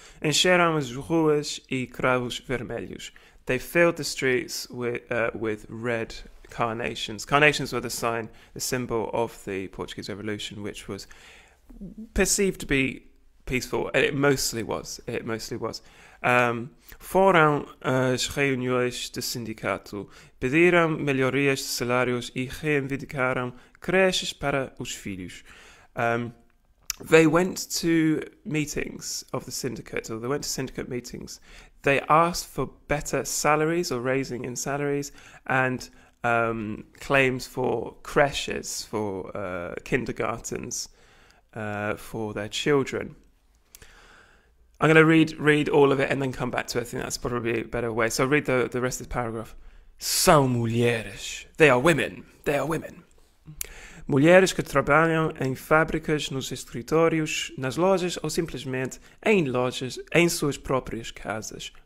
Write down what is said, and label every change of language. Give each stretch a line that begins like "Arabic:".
Portuguese: Encheram as ruas e cravos vermelhos.
English: They filled the streets with red carnations. Carnations were the symbol of the Portuguese Revolution, which was perceived to be peaceful, and it mostly was. It mostly was.
Portuguese: Foram as reuniões de sindicato, pediram melhorias de salários e reivindicaram creches para os filhos.
English: They went to meetings of the syndicate, or they went to syndicate meetings. They asked for better salaries, or raising in salaries, and claims for creches, for kindergartens, for their children. I'm going to read all of it and then come back to it. I think that's probably a better way. So I'll read the rest of the paragraph.
Portuguese: São mulheres.
English: They are women. They are women.
Portuguese: Mulheres que trabalham em fábricas, nos escritórios, nas lojas ou simplesmente em lojas, em suas próprias casas.